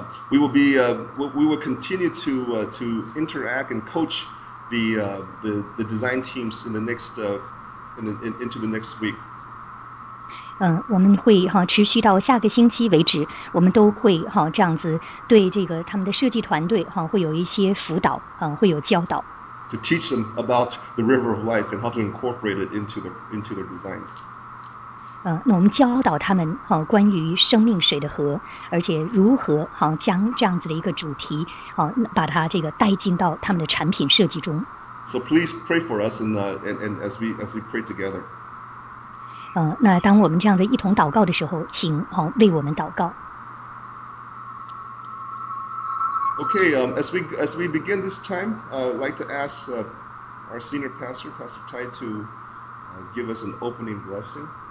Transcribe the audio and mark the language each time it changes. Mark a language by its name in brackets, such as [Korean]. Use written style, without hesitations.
[English] We will continue to interact and coach the design teams in the next into the next week. [Chinese] 我们会持续到下个星期为止，我们都会这样子对这个他们的设计团队会有一些辅导会有教导。 [English] To teach them about the river of life and how to incorporate it into their designs. [Chinese] 那我们教导他们关于生命水的河，而且如何将这样子的一个主题把它这个带进到他们的产品设计中。 [English] So please pray for us and as we pray together. [Chinese] 那当我们这样的一同祷告的时候，请为我们祷告。 [English] Okay, as we begin this time, I'd like to ask our senior pastor, Pastor Tai, to give us an opening blessing.